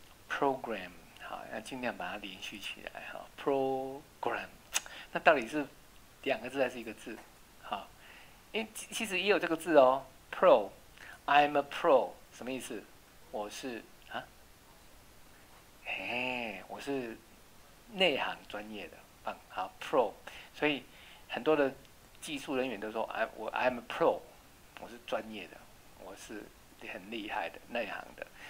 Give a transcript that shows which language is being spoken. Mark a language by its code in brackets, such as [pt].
[zh] Program，好，要尽量把它连续起来哈。Program，那到底是两个字还是一个字？好，因为其实也有这个字哦。 [en] Pro，I'm a pro， [zh] 什么意思？我是啊，哎，我是内行专业的，棒，好，pro。所以很多的技术人员都说， [en] I'm a pro， [zh] 我是专业的，我是很厉害的，内行的。